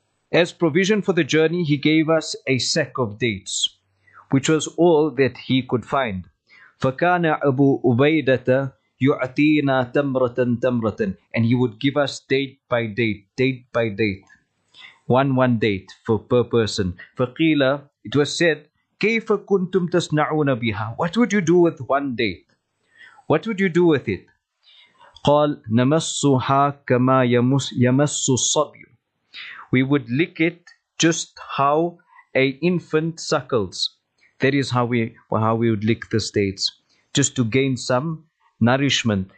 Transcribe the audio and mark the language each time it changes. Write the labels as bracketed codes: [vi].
[en] As provision for the journey, he gave us a sack of dates, which was all that he could find. [ar] فَكَانَ أَبُو أُبَيْدَةَ يُعْتِينَا تَمْرَةً تَمْرَةً. [en] And he would give us date by date, date by date. One date for per person. [ar] فَقِيلَ. [en] It was said, [ar] كَيْفَ كُنْتُمْ تَسْنَعُونَ بِهَا. [en] What would you do with one date? What would you do with it? [ar] قَالْ نَمَسُّهَا كَمَا يَمَسُّ الصَّبْيُ. [en] We would lick it just how an infant suckles. That is how we would lick the dates, just to gain some nourishment.